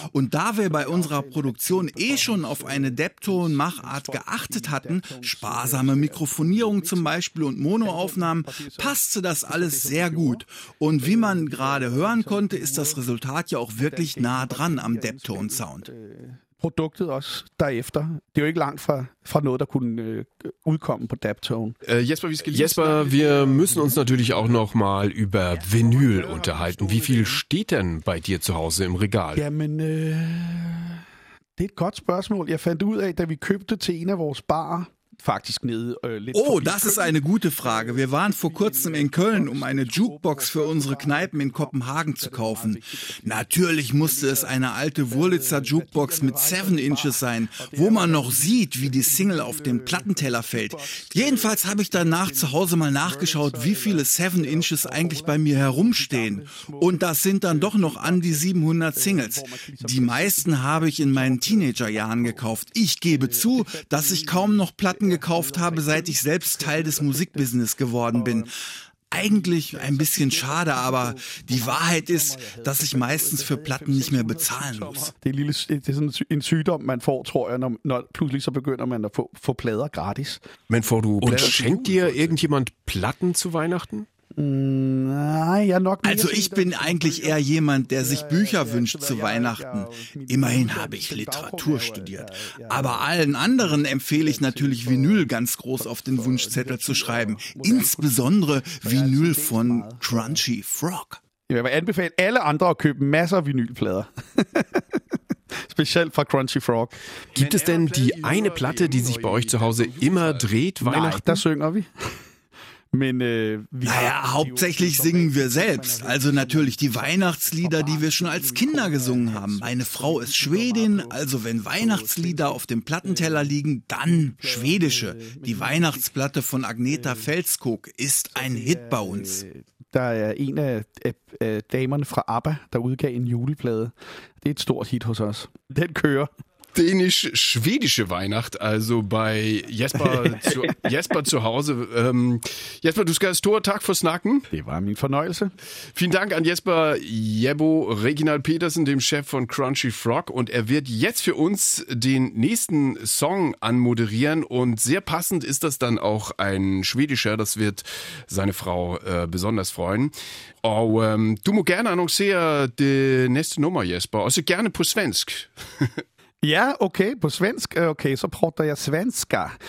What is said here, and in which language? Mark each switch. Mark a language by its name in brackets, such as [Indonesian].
[German] Und da wir bei unserer Produktion eh schon auf eine Deptone-Machart geachtet hatten, sparsame Mikrofonierung zum Beispiel und Monoaufnahmen, passte das alles sehr gut. Und wie man gerade hören konnte, ist das Resultat ja auch wirklich nah dran am Deptone-Sound. [Danish] produktet også derefter. Det er jo ikke langt fra noget, der kunne udkomme på Daptone. [German] Jesper, wir müssen uns natürlich auch noch mal über Vinyl unterhalten. Wie viel steht denn bei dir zu Hause im Regal? [Danish] Jamen, det er et godt spørgsmål. Jeg fandt ud af, da vi købte til en af vores barer, faktisk nede lidt. [German] Oh, das ist eine gute Frage. Wir waren vor kurzem in Köln, um eine Jukebox für unsere Kneipen in Kopenhagen zu kaufen. Natürlich musste es eine alte Wurlitzer Jukebox mit 7 Inches sein, wo man noch sieht, wie die Single auf den Plattenteller fällt. Jedenfalls habe ich danach zu Hause mal nachgeschaut, wie viele 7 Inches eigentlich bei mir herumstehen. Und das sind dann doch noch an die 700 Singles. Die meisten habe ich in meinen Teenagerjahren gekauft. Ich gebe zu, dass ich kaum noch gekauft habe, seit ich selbst Teil des Musikbusiness geworden bin. Eigentlich ein bisschen schade, aber die Wahrheit ist, dass ich meistens für Platten nicht mehr bezahlen muss. [Danish] Det er en sygdom, man får, tror jeg, når pludselig så begynder man at få plader gratis. Men får du plader? [German] Und schenkt dir irgendjemand Platten zu Weihnachten? Also ich bin eigentlich eher jemand, der sich Bücher wünscht zu Weihnachten. Immerhin habe ich Literatur studiert. Aber allen anderen empfehle ich natürlich Vinyl ganz groß auf den Wunschzettel zu schreiben. Insbesondere Vinyl von Crunchy Frog. Ich würde empfehlen, alle anderen zu kaufen, [Danish] masser Vinylplader. [German] Speziell von Crunchy Frog. Gibt es denn die eine Platte, die sich bei euch zu Hause immer dreht, Weihnachten? Nein, das singen wir. Naja, hauptsächlich singen wir selbst. Also natürlich die Weihnachtslieder, die wir schon als Kinder gesungen haben. Meine Frau ist Schwedin, also wenn Weihnachtslieder auf dem Plattenteller liegen, dann schwedische. Die Weihnachtsplatte von Agneta Felskog ist ein Hit bei uns. [Danish] Da er en af damerne fra ABBA, der udgav en juleplade. Det er et stort hit hos os. Den kører. [German] Dänisch-schwedische Weihnacht, also bei Jesper zu Hause. [Danish] Jesper, du skal stor tak for snakken. Det var min fornøjelse. [German] Vielen Dank an Jesper Jebo, Reginald Petersen, dem Chef von Crunchy Frog. Und er wird jetzt für uns den nächsten Song anmoderieren. Und sehr passend ist das dann auch ein schwedischer. Das wird seine Frau besonders freuen. [Danish] Og du må gerne annoncere det næste nummer, Jesper. Også gerne på svensk. Ja, okay, på svensk. Okay, så prater jeg svenska.